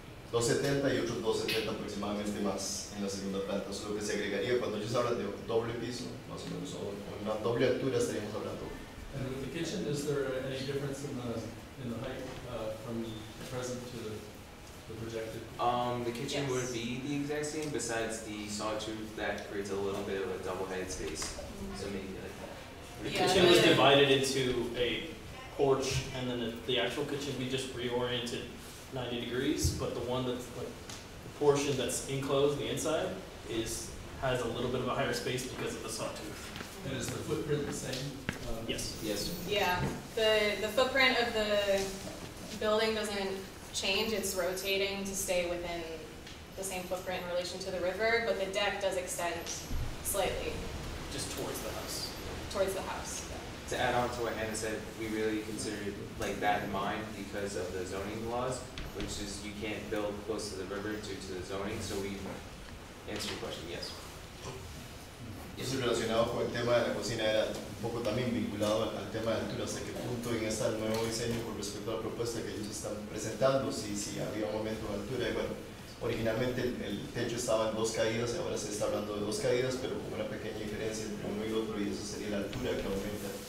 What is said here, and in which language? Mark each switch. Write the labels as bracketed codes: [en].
[es] 270 y otros 270 aproximadamente más en la segunda planta, eso es lo que se agregaría cuando ellos hablan de doble piso, más o menos, o una doble altura estaríamos hablando. [en] And in the kitchen, is there any difference in the height from the present to the projected? The kitchen yes. would be the exact same, besides the sawtooth that creates a little bit of a double-headed space, mm-hmm. so maybe like that. The kitchen was divided into a porch, and then the actual kitchen we just reoriented 90 degrees, but the one that's like the portion that's enclosed, the inside, has a little bit of a higher space because of the sawtooth. And is the footprint the same? Yes. Yes. Yeah. The footprint of the building doesn't change. It's rotating to stay within the same footprint in relation to the river, but the deck does extend slightly. Just towards the house. Towards the house. To add on to what Hannah said, we really considered like that in mind because of the zoning laws, which is you can't build close to the river due to the zoning. So we answer your question, yes. [es] Eso relacionado con el tema de la cocina era un poco también vinculado al tema de altura. ¿Hasta qué punto en este nuevo diseño con respecto a la propuesta que ellos están presentando, si había un aumento de altura? Y bueno, originalmente el techo estaba en dos caídas, y ahora se está hablando de dos caídas, pero con una pequeña diferencia entre uno y otro, y eso sería la altura que aumenta.